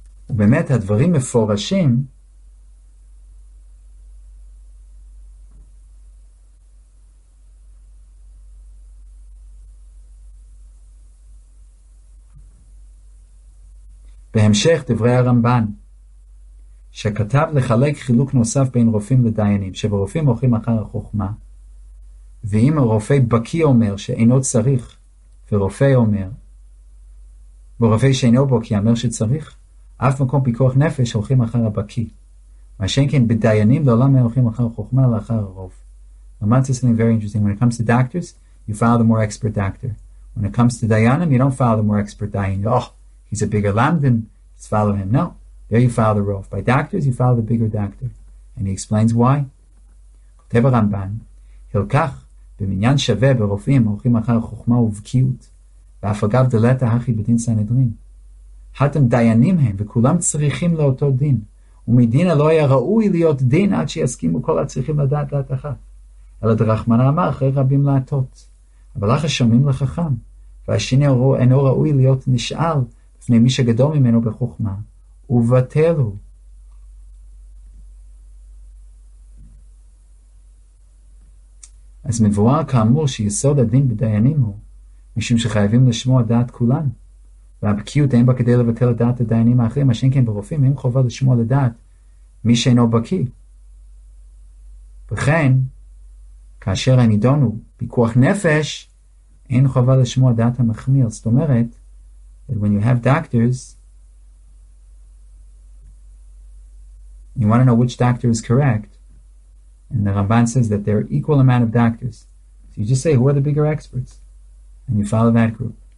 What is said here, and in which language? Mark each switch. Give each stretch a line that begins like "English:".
Hebrew: ובאמת הדברים מפורשים בהמשך דברי הרמב"ן שכתב לחלק חילוק נוסף בין רופאים לדיינים שברופאים הולכים אחר החוכמה ואם רופא בקי אומר שאינו צריך ורופא אומר ורופא שאינו בקי אומר שצריך אף מקום פיקוח נפש הולכים אחר הבקי. מה שאין כן בדיינים לעולם הולכים אחר חוכמה אלא אחר הרוב. למדת
English: something very interesting. When it comes to doctors, you follow the more expert doctor. When it comes to דיינים, you don't follow the more expert דיין. Oh, he's a bigger lamdan, let's follow him. No, there you follow the rov. By doctors, you follow the bigger doctor. And he explains why.
Hebrew: כותב הרמב"ן, הלכך במניין שווה ברופאים הולכים אחר חוכמה ובקיאות. ואף אגב דלת האחי בדין סנהדרין. אתם דיינים הם, וכולם צריכים לאותו דין. ומדינה לא היה ראוי להיות דין עד שיסכימו כל הצריכים לדעת דעת אחת. אלא דרחמנא אמר אחרי רבים לעתות. אבל אחרי שומעים לחכם, והשני אינו ראוי להיות נשאל לפני מי שגדול ממנו בחוכמה. ובטל הוא. אז מבואר כאמור שיסוד הדין בדיינים הוא, משום שחייבים לשמוע דעת כולן. והבקיאות אין בה כדי לבטל לדעת הדיינים האחרים, השני כן ברופאים, אין חובה לשמוע לדעת מי שאינו בקיא. וכן, כאשר הנידון הוא פיקוח נפש, אין חובה לשמוע דעת המחמיר. זאת אומרת,
English: that when you have doctors, you want to know which doctor is correct, and the Ramban says that there are equal amount of doctors. So you just say, who are the bigger experts? And you follow that group.